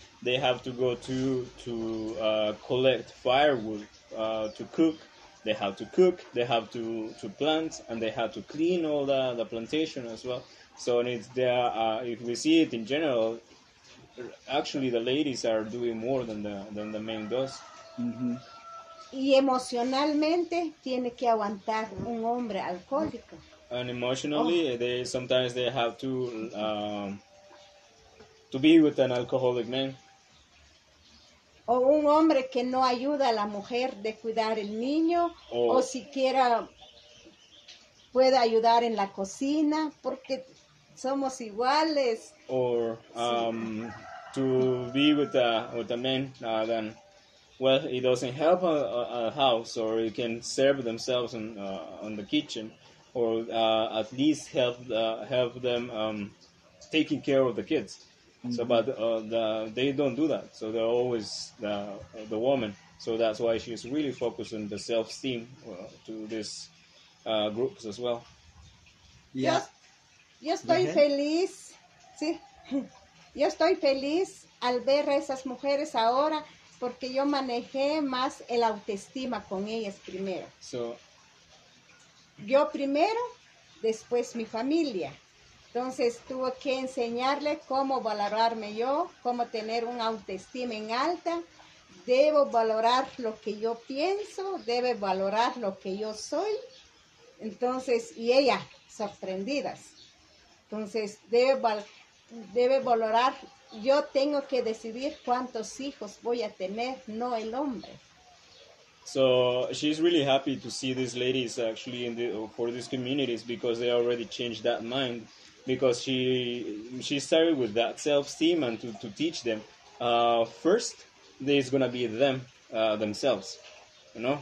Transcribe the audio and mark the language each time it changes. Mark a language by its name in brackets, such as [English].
[English] They have to go to collect firewood to cook. They have to cook, they have to plant, and they have to clean all the plantation as well. So it's there. If we see it in general, actually the ladies are doing more than the men does. [Spanish] Mm-hmm. Y emocionalmente tiene que aguantar un hombre alcohólico. [English] And emotionally, they sometimes have to be with an alcoholic man. [Spanish] O un hombre que no ayuda a la mujer de cuidar el niño, o siquiera puede ayudar en la cocina, porque somos iguales. [English] Or sí. To be with a man then, well, it doesn't help a house, or it can serve themselves in the kitchen, or at least help them taking care of the kids. Mm-hmm. So, but they don't do that. So they're always the woman. So that's why she's really focused on the self-esteem to these groups as well. [Spanish] Yeah. Yo estoy feliz. Sí. Yo estoy feliz al ver a esas mujeres ahora, porque yo manejé más el autoestima con ellas primero. [English] So. [Spanish] Yo primero, después mi familia. Entonces tuve que enseñarle cómo valorarme yo, cómo tener una autoestima en alta. Debo valorar lo que yo pienso, debe valorar lo que yo soy. Entonces, y ella, sorprendidas. Entonces, debe valorar, yo tengo que decidir cuántos hijos voy a tener, no el hombre. [English] So she's really happy to see these ladies actually for these communities, because they already changed that mind. Because she started with that self-esteem, and to teach them, first there's gonna be them themselves, you know.